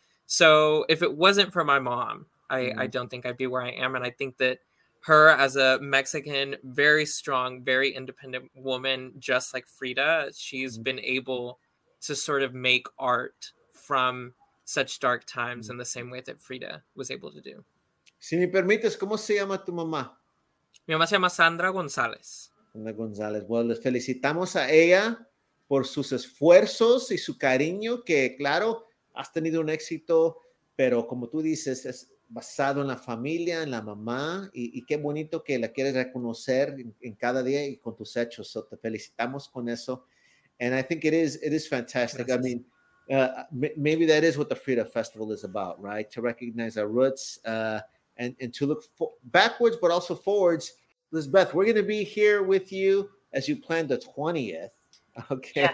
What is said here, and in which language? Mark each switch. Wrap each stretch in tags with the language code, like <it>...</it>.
<en>So if it wasn't for my mom, I don't think I'd be where I am. And I think that her, as a Mexican, very strong, very independent woman, just like Frida, she's been able to sort of make art from such dark times in the same way that Frida was able to do.</en> <es>Si me permites, ¿cómo se llama tu mamá? Mi mamá se llama Sandra González. Sandra González. Bueno, les felicitamos a ella por sus esfuerzos y su cariño, que claro, has tenido un éxito, pero como tú dices, es basado en la familia, en la mamá, y qué bonito que la quieres reconocer en cada día y con tus hechos. So te felicitamos con eso.</es> <en>And I think it is fantastic. Gracias. I mean, maybe that is what the Frida Festival is about, right? To recognize our roots and to look backwards, but also forwards. Lizbeth, we're going to be here with you as you plan the 20th. Okay.</en>